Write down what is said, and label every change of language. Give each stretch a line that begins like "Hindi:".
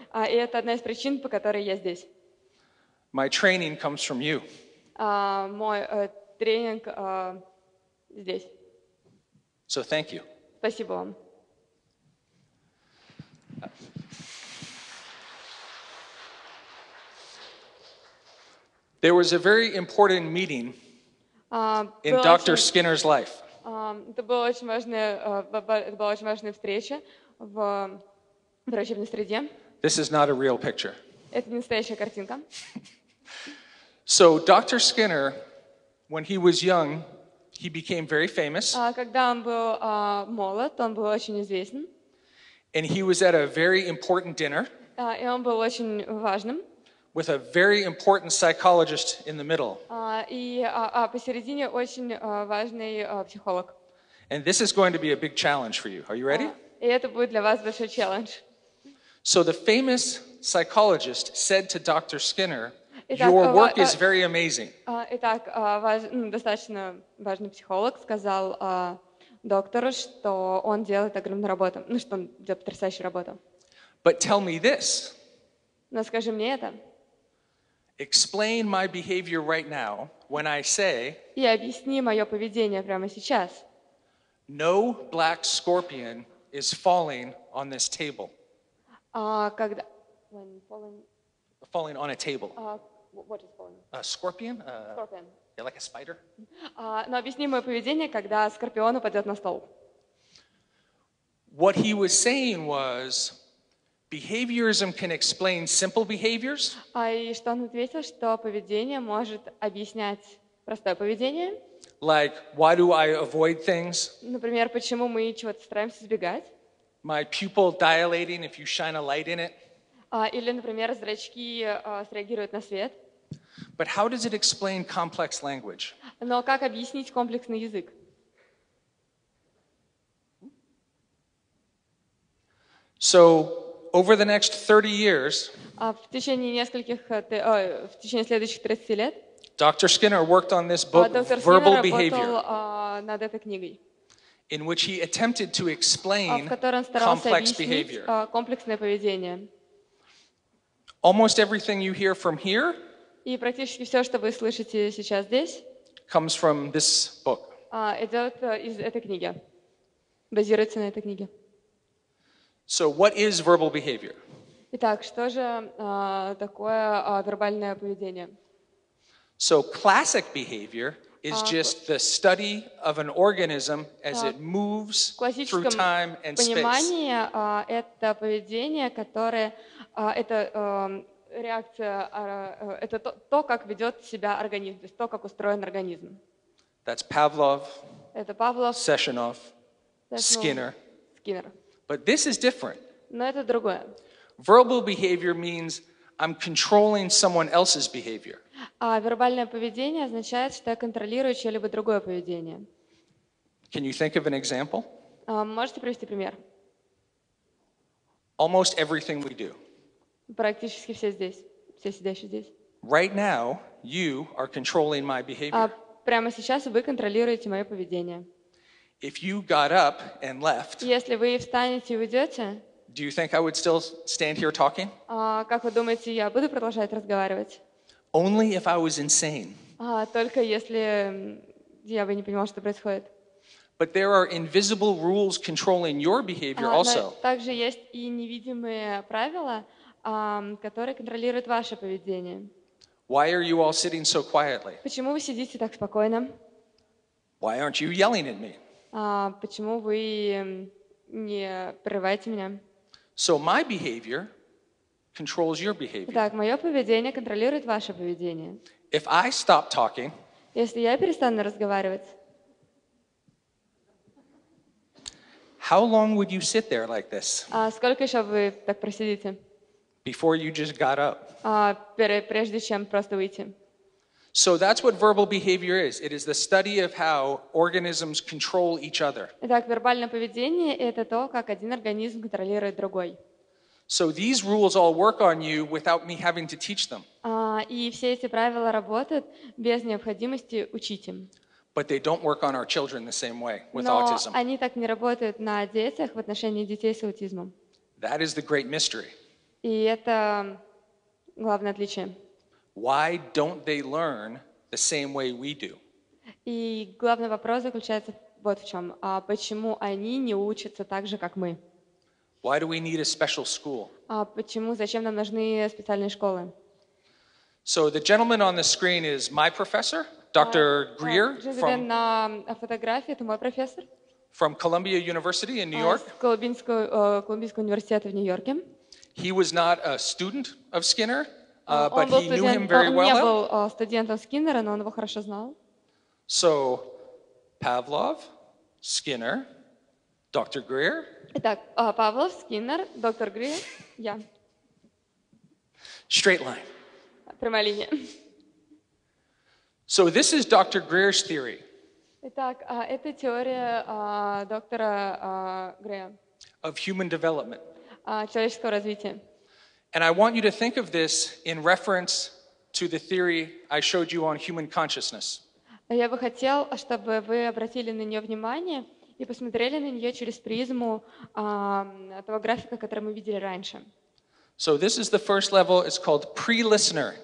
Russian: И это одна из причин, по которой я здесь.
English: My training comes from you.
Russian: Мой тренинг здесь.
English: So thank you.
Russian: Спасибо вам.
English: There was a very important meeting in Dr. Skinner's life.
Russian: Это была очень важная встреча в врачебной среде.
English: This is not a real picture.
Russian: Это не настоящая картинка.
English: So Dr. Skinner, when he was young, he became very famous.
Russian: Когда он был молод, он был очень известен.
English: And he was at a very important dinner.
Russian: И он был очень важным.
English: With a very important psychologist in the middle.
Russian: Посередине очень важный психолог.
English: And this is going to be a big challenge for you. Are you ready?
Russian: И это будет для вас большой челлендж.
English: So the famous psychologist said to Dr. Skinner, "Your work is very amazing."
Russian: Итак, достаточно важный психолог сказал доктору, что он делает огромную работу, ну что он делает потрясающую работу.
English: But tell me this.
Russian: Но скажи мне это.
English: Explain my behavior right now when I say.
Russian: И объясни мое поведение прямо сейчас.
English: No black scorpion is falling on this table.
Russian: Когда?
English: When falling. Falling on a table. What is falling? A scorpion. Scorpion. Yeah, like a spider.
Russian: Но объясни мое поведение, когда скорпион упадет на стол.
English: What he was saying was. Behaviorism can explain simple behaviors.
Russian: И что он ответил, что поведение может объяснять простое поведение.
English: Like, why do I avoid things?
Russian: Например, почему мы чего-то стараемся избегать?
English: My pupil dilating if you shine a light in it.
Russian: Или, например, зрачки среагируют на свет.
English: But how does it explain complex language?
Russian: Но как объяснить комплексный язык?
English: So. Over the next 30 years,
Russian: в течение следующих 30 лет,
English: Dr. Skinner worked on this book, Verbal Behavior,
Russian: над этой книгой,
English: in which he attempted to explain complex behavior.
Russian: Комплексное поведение.
English: Almost everything you hear from here,
Russian: и практически все, что вы слышите сейчас здесь,
English: comes from this book.
Russian: Идет из этой книги, базируется на этой книге.
English: So what is verbal behavior?
Russian: Итак, что же такое вербальное поведение?
English: So classic behavior is just the study of an organism as it moves through time and space.
Russian: Понимание это поведение, которое это реакция это то, как ведет себя организм, то, как устроен организм.
English: That's Pavlov.
Russian: Это Павлов. Сешенов. Skinner.
English: Skinner. But this is different.
Russian: Но это другое.
English: Verbal behavior means I'm controlling someone else's behavior.
Russian: А вербальное поведение означает, что я контролирую чье-либо другое поведение.
English: Can you think of an example?
Russian: Можете привести пример?
English: Almost everything we do.
Russian: Практически все здесь, все сидящие здесь.
English: Right now, you are controlling my behavior.
Russian: Прямо сейчас вы контролируете мое поведение.
English: If you got up and left,
Russian: если вы встанете и уйдете,
English: do you think I would still stand here talking?
Russian: Как вы думаете, я буду продолжать разговаривать?
English: Only if I was insane.
Russian: Только если я бы не понимал, что происходит.
English: But there are invisible rules controlling your behavior also.
Russian: Также есть и невидимые правила, которые контролируют ваше поведение.
English: Why are you all sitting so quietly?
Russian: Почему вы сидите так спокойно?
English: Why aren't you yelling at me?
Russian: Почему вы не прерываете меня?
English: So my behavior controls your behavior.
Russian: Так, мое поведение контролирует ваше поведение.
English: If I stop talking,
Russian: если я перестану разговаривать,
English: how long would you sit there like this?
Russian: Сколько еще вы так просидите?
English: Before you just got up.
Russian: Прежде чем просто выйти.
English: So that's what verbal behavior is. It is the study of how organisms control each other.
Russian: Итак, вербальное поведение — это то, как один организм контролирует другой.
English: So these rules all work on you without me having to teach them.
Russian: И все эти правила работают без необходимости учить им.
English: But they don't work on our children the same way with autism.
Russian: Но они так не работают на детях в отношении детей с аутизмом.
English: That is the great mystery.
Russian: И это главное отличие.
English: Why don't they learn the same way we do?
Russian: И главный вопрос заключается вот в чем. Почему они не учатся так же, как мы?
English: Why do we need a special school?
Russian: Почему, зачем нам нужны специальные школы?
English: So the gentleman on the screen is my professor, Dr. Greer.
Russian: Джентльмен на фотографии — это мой профессор.
English: From Columbia University in New York.
Russian: Колумбийского университета в Нью-Йорке.
English: He was not a student of Skinner, but he knew him very well.
Russian: Он не был студентом Скиннера, но он его хорошо знал.
English: So, Pavlov, Skinner, Dr. Greer.
Russian: Итак, Павлов, Скиннер, доктор Грир, я.
English: Straight line.
Russian: Прямая линия.
English: So this is Dr. Greer's theory.
Russian: Итак, это теория доктора Грея.
English: Of human development.
Russian: Человеческого развития.
English: And I want you to think of this in reference to the theory I showed you on human consciousness.
Russian: Я бы хотел, чтобы вы обратили на нее внимание и посмотрели на нее через призму того графика, который мы видели раньше.
English: So this is the first level. It's called pre-listener.